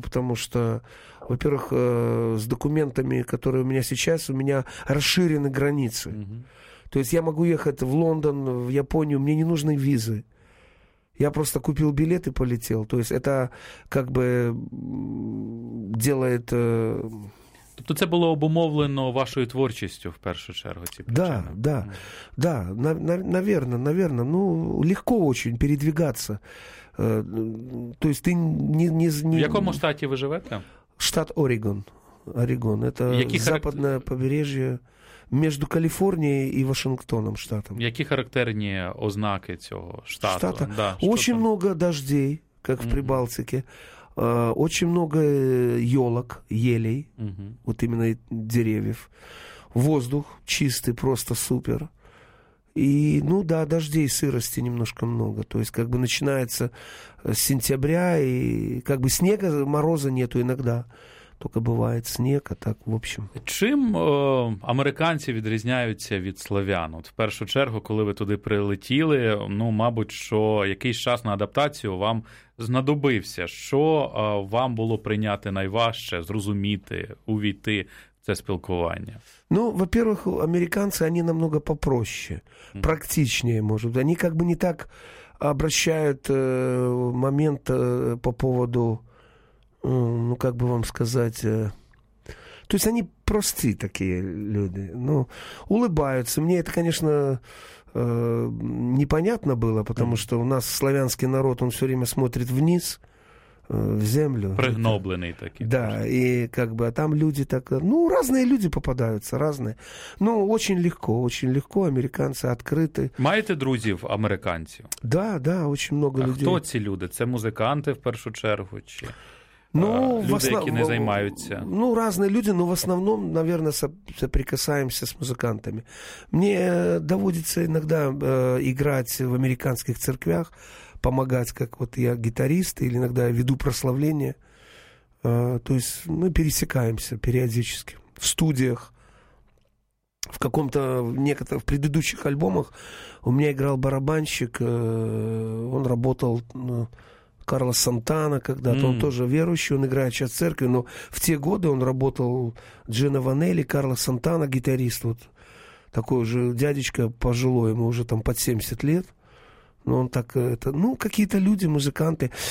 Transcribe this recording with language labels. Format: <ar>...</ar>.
<ru>Потому что, во-первых, с документами, которые у меня сейчас, у меня расширены границы. Угу. То есть я могу ехать в Лондон, в Японию, мне не нужны визы. Я просто купил билет и полетел. То есть это как бы делает...</ru> <uk>Тобто це було обумовлено вашою творчістю, в першу чергу, ці причини?</uk> <ru>Да, да, да, наверное. Ну, легко очень передвигаться. То есть ты не...</ru> <uk>В якому штаті ви живете?</uk> <ru>Штат Орегон. Орегон. Это западное побережье</ru> <uk>між Каліфорнією і Вашингтоном, штатом. Які характерні ознаки цього штату?</uk> <ru>Штата? Да, очень много дождей, как в Прибалтике. Очень много елок, елей, вот именно деревьев. Воздух чистый, просто супер. И, ну да, дождей, сырости немножко много. То есть как бы начинается с сентября, и как бы снега, мороза нету иногда. Только бывает снег, а так, в общем.</ru> <uk>Чим американці відрізняються від славян? От в першу чергу, коли ви туди прилетіли, ну, мабуть, що якийсь час на адаптацію вам знадобився. Що вам було прийняти найважче, зрозуміти, увійти в це спілкування? Ну, во-первых, американці, вони намного попроще, практичніше, може. Вони як би не так обращають момент</uk> <ru>по поводу... Ну, как бы вам сказать, то есть они простые такие люди, ну, улыбаются. Мне это, конечно, непонятно было, потому что у нас славянский народ, он все время смотрит вниз, в землю. Пригнобленный такой. Да, и как бы, а там люди так, ну, разные люди попадаются, разные. Ну, очень легко, американцы открыты. Маете друзей американцев? Да, да, очень много а людей. А кто эти люди? Это музыканты, в первую очередь, чи...</ru> <uk>Ну, люди, які не займаються. Ну, різні люди, але в основному, наверное, соприкасаємося з музикантами. Мені доводиться іноді іграти в американських церквях, допомагати, як от я гітарист, або іноді веду прославлення. Тобто ми пересікаємося періодично в студіях.</uk> <ru>В каком-то, в предыдущих альбомах</ru> <uk>у мене іграв барабанщик, він працював...</uk> <ru>Карлос Сантана когда-то, он тоже верующий, он играет сейчас в церкви, но в те годы он работал Джино Ванелли, Карлос Сантана, гитарист, вот такой уже дядечка пожилой, ему уже там под 70 лет, но он так, это, ну, какие-то люди, музыканты.</ru>